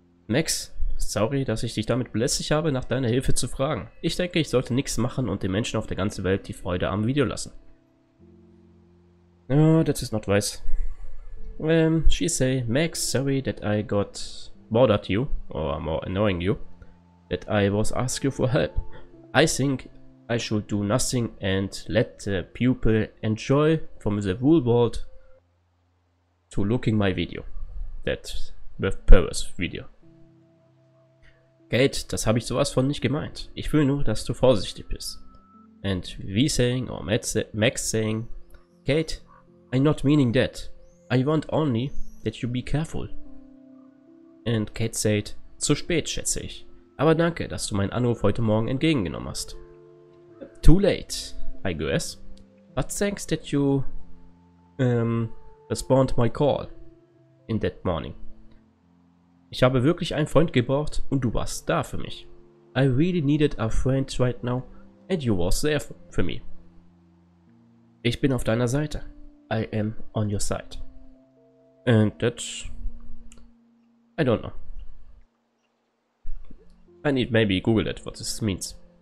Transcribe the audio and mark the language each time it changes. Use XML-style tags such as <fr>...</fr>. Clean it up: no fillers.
<de>Max, sorry, dass ich dich damit belästigt habe, nach deiner Hilfe zu fragen. Ich denke, ich sollte nichts machen und den Menschen auf der ganzen Welt die Freude am Video lassen.</de> <en>Oh, that is not wise. She say, Max, sorry that I got bored at you, or more annoying you, that I was asking you for help. I think I should do nothing and let the people enjoy from the real world to looking my video. That with purpose video.</en> <de>Kate, das habe ich sowas von nicht gemeint. Ich will nur, dass du vorsichtig bist.</de> <en>And we saying, or Max saying, Kate, I'm not meaning that. I want only that you be careful. And Kate said,</en> <de>zu spät, schätze ich. Aber danke, dass du meinen Anruf heute Morgen entgegengenommen hast.</de> <en>Too late, I guess. But thanks that you respond my call in that morning.</en> <de>Ich habe wirklich einen Freund gebraucht und du warst da für mich.</de> <en>I really needed a friend right now and you was there for me.</en> <de>Ich bin auf deiner Seite.</de> <en>I am on your side. And that's... I don't know. I need maybe Google that, what this means.</en>